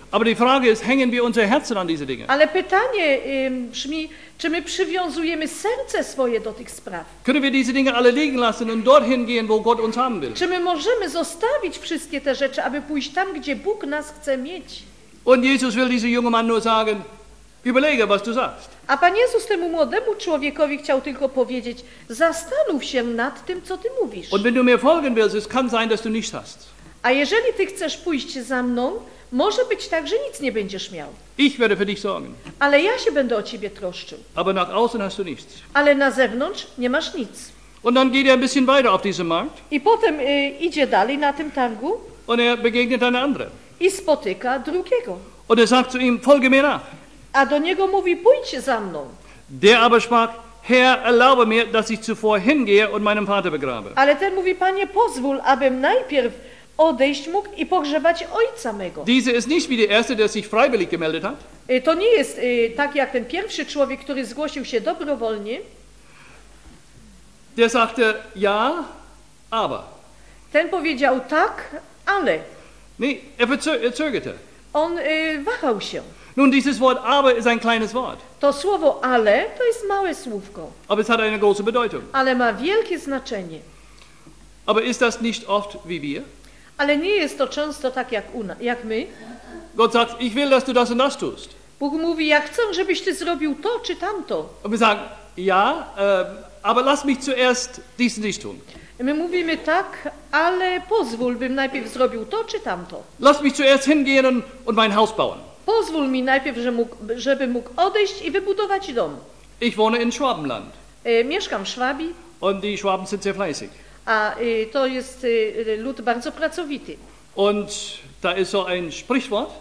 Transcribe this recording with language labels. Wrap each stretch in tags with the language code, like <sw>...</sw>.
<de>Aber die Frage ist, hängen wir unsere Herzen an diese Dinge?</de> <pl>Ale pytanie brzmi, czy my przywiązujemy serce swoje do tych spraw?</pl> <de>Können wir diese Dinge alle liegen lassen und dorthin gehen, wo Gott uns haben will?</de> <pl>Czy my możemy zostawić wszystkie te rzeczy, aby pójść tam, gdzie Bóg nas chce mieć?</pl> <de>Und Jesus will diesem jungen Mann nur sagen, überlege, was du sagst.</de> <pl>A Pan Jezus temu młodemu człowiekowi chciał tylko powiedzieć, zastanów się nad tym, co ty mówisz.</pl> <de>Und wenn du mir folgen willst, es kann sein, dass du nichts hast.</de> <pl>A jeżeli ty chcesz pójść za mną, może być tak, że nic nie będziesz miał.</pl> <de>Ich werde für dich sorgen.</de> <pl>Ale ja się będę o ciebie troszczył.</pl> <de>Aber nach außen hast du nichts.</de> <pl>Ale na zewnątrz nie masz nic.</pl> <de>Und dann geht er ein bisschen weiter auf diesem Markt.</de> <pl>I potem idzie dalej na tym targu.</pl> <de>Und er begegnet einen anderen.</de> <pl>I spotyka drugiego.</pl> <de>Und er sagt zu ihm, folge mir nach.</de> <pl>A do niego mówi, pójdź za mną.</pl> <de>Der aber sprach, Herr, erlaube mir, dass ich zuvor hingehe und meinen Vater begrabe.</de> <pl>Ale ten mówi, Panie, pozwól, abym najpierw odejść mógł i pogrzebać ojca mego.</pl> <de>Diese ist nicht wie der erste, der sich freiwillig gemeldet hat.</de> <pl>To nie jest tak jak ten pierwszy człowiek, który zgłosił się dobrowolnie.</pl> <de>Der sagte, ja, aber.</de> <pl>Ten powiedział, tak, ale.</pl> <de>Nee, er zögerte.</de> <pl>On wahał się.</pl> <de>Nun, dieses Wort aber ist ein kleines Wort.</de> <pl>To słowo ale to jest małe słówko.</pl> <de>Aber es hat eine große Bedeutung.</de> <pl>Ale ma wielkie znaczenie.</pl> <de>Aber ist das nicht oft wie wir?</de> <pl>Ale nie jest to często tak jak, jak my.</pl> <de>Gott sagt, ich will, dass du das und das tust.</de> <pl>Bóg mówi, ja chcę, żebyś ty zrobił to czy tamto.</pl> <de>Und wir sagen, ja, aber lass mich zuerst dies und dies tun.</de> <pl>My mówimy tak, ale pozwól, bym najpierw zrobił to czy tamto.</pl> <de>Lass mich zuerst hingehen und mein Haus bauen.</de> <pl>Pozwól mi najpierw, żeby mógł odejść i wybudować dom.</pl> <de>Ich wohne in Schwabenland.</de> <pl>Mieszkam w Schwabi.</pl> <de>Und die Schwaben sind sehr fleißig.</de> <pl>A to jest lud bardzo pracowity.</pl> <de>Und da ist so ein Sprichwort.</de>